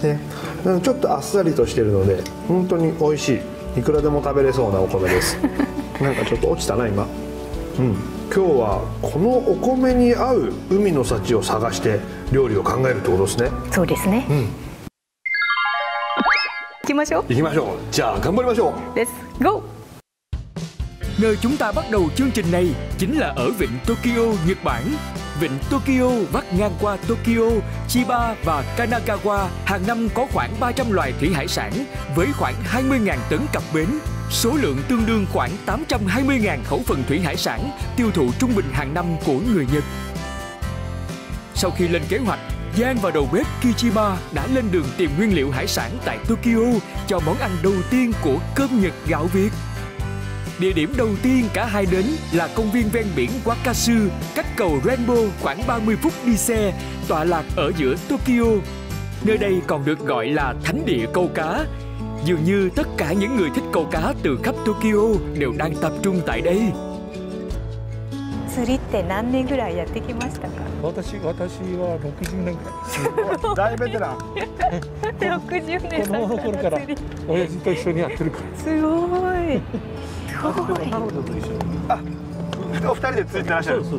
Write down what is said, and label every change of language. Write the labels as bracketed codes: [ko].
[ja] ね、ちょっとあっさりとしてるので本当に美味しい、いくらでも食べれそうなお米です。なんかちょっと落ちたな今。うん、今日はこのお米に合う海の幸を探して料理を考えるってことですね。そうですね。うん、行きましょう。行きましょう。じゃあ頑張りましょう。 [en] Let's go。 [vi] Nơi chúng ta bắt đầu chương trình này chính là ở vịnh Tokyo, Nhật Bản. Vịnh Tokyo vắt ngang qua Tokyo, Chiba và Kanagawa, hàng năm có khoảng 300 loài thủy hải sản với khoảng 20.000 tấn cập bến. Số lượng tương đương khoảng 820.000 khẩu phần thủy hải sản tiêu thụ trung bình hàng năm của người Nhật. Sau khi lên kế hoạch, Giang và đầu bếp Kijima đã lên đường tìm nguyên liệu hải sản tại Tokyo cho món ăn đầu tiên của cơm Nhật gạo Việt. Địa điểm đầu tiên cả hai đến là công viên ven biển Wakasu, cách cầu Rainbow khoảng 30 phút đi xe, tọa lạc ở giữa Tokyo. Nơi đây còn được gọi là thánh địa câu cá. Dường như tất cả những người thích câu cá từ khắp Tokyo đều đang tập trung tại đây. Suri thì năm nay [ja] ぐらいやってきましたか？私は60年くらい。大ベテラン。 60年。子供の頃から親父と一緒にやってるから。すごい。彼女と一緒。あ、お二人で釣ってらっしゃる。